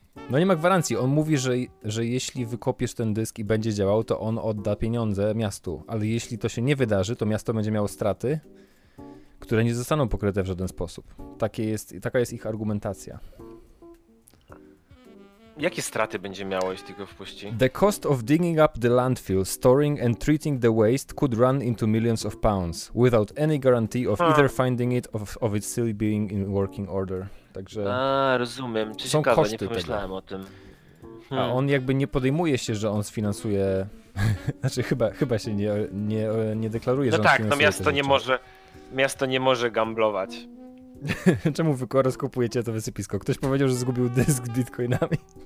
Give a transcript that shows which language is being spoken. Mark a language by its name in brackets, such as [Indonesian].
[Polish] No nie ma gwarancji, on mówi, że jeśli wykopiesz ten dysk i będzie działał, to on odda pieniądze miastu, ale jeśli to się nie wydarzy, to miasto będzie miało straty, które nie zostaną pokryte w żaden sposób. Taka jest ich argumentacja. Jakie straty będzie miało, jeśli go wpuści? [English] The cost of digging up the landfill, storing and treating the waste could run into millions of pounds without any guarantee of either finding it of it still being in working order. [Polish] Także a, rozumiem. Czy ciekawe, koszty nie pomyślałem tego. O tym. A on jakby nie podejmuje się, że on sfinansuje... znaczy chyba się nie deklaruje, no że tak, on sfinansuje. No tak, miasto nie może gamblować. Czemu wy rozkupujecie to wysypisko? Ktoś powiedział, że zgubił dysk z bitcoinami.